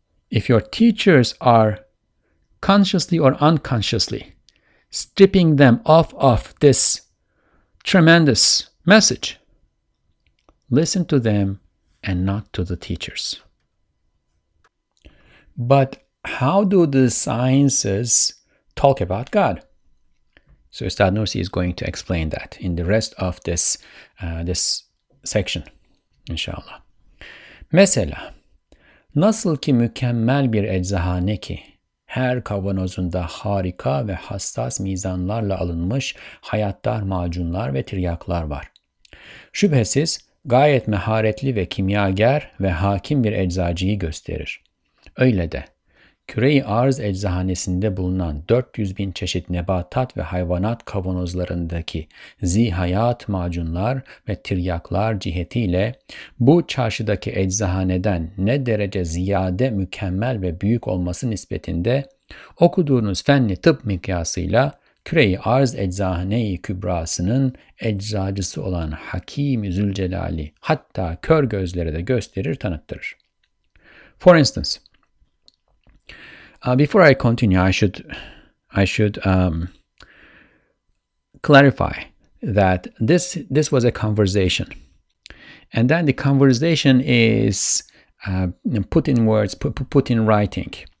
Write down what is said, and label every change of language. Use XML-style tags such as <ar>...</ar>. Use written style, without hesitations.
<en>If your teachers are consciously or unconsciously stripping them off of this tremendous message, listen to them and not to the teachers. But how do the sciences talk about God? So Ustad Nursi is going to explain that in the rest of this this section, inshallah.</en> <tr>Mesela, nasıl ki mükemmel bir eczahane ki, her kavanozunda harika ve hassas mizanlarla alınmış hayattar macunlar ve tiryaklar var. Şüphesiz gayet meharetli ve kimyager ve hakim bir eczacıyı gösterir. Öyle de, Küre-i Arz eczahanesinde bulunan 400 bin çeşit nebatat ve hayvanat kavanozlarındaki zihayat macunlar ve tiryaklar cihetiyle bu çarşıdaki eczahaneden ne derece ziyade mükemmel ve büyük olması nispetinde okuduğunuz fenli tıp mikyasıyla Küre-i Arz eczahane-i kübrasının eczacısı olan Hakim-i Zülcelal'i hatta kör gözlere de gösterir, tanıttırır.</tr> <en>For instance, before I continue, I should clarify that this was a conversation, and then the conversation is put in words, put in writing.</en>